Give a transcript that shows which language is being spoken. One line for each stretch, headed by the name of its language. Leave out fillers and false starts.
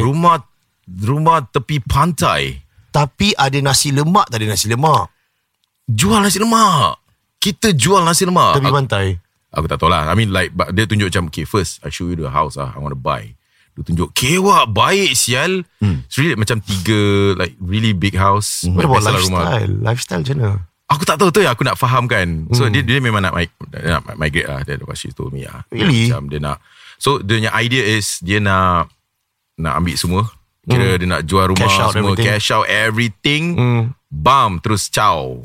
Malay: Rumah tepi pantai. Tapi ada nasi lemak. Tak ada nasi lemak. Jual nasi lemak. Kita jual nasi lemak tepi pantai. Aku tak tahu lah.
English: I mean like
Malay: dia tunjuk macam,
English: okay first I show you the house lah, I want to buy.
Malay: Dia tunjuk kewak baik sial.
English: It's really
Malay: macam tiga,
English: like really big house. What about lifestyle
Malay: macam mana? Aku tak tahu tu yang aku nak faham kan.
English: So
Malay: dia memang nak migrate lah.
English: That's what she told me lah. Really?
Malay: Macam dia nak, so dia punya idea is dia nak ambil semua. Kira dia nak jual rumah,
English: cash out
Malay: semua,
English: everything. Cash out everything. Bam,
Malay: terus
English: ciao.